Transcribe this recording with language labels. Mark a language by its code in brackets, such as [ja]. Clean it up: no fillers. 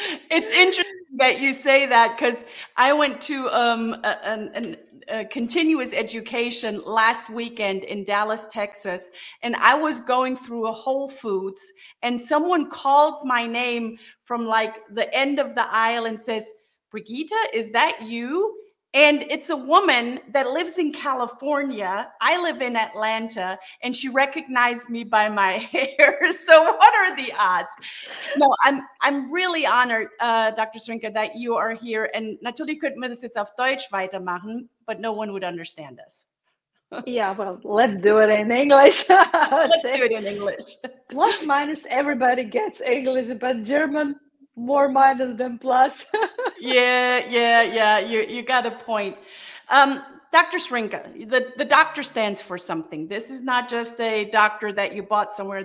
[en] It's interesting that you say that, because I went to a continuous education last weekend in Dallas, Texas, and I was going through a Whole Foods, and someone calls my name from like the end of the aisle and says, Brigitte, is that you? And it's a woman that lives in California. I live in Atlanta, and she recognized me by my hair. So what are the odds? No, I'm really honored, Dr. Zrinka, that you are here. [de] And natürlich könnten wir das jetzt auf Deutsch weitermachen, [en] but no one would understand us. Yeah, well, let's do it in English. Let's do it in English. Plus minus, everybody gets English, but German, more minus than plus. yeah. You got a point. Dr. Zrinka, the doctor stands for something. This is not just a doctor that you bought somewhere.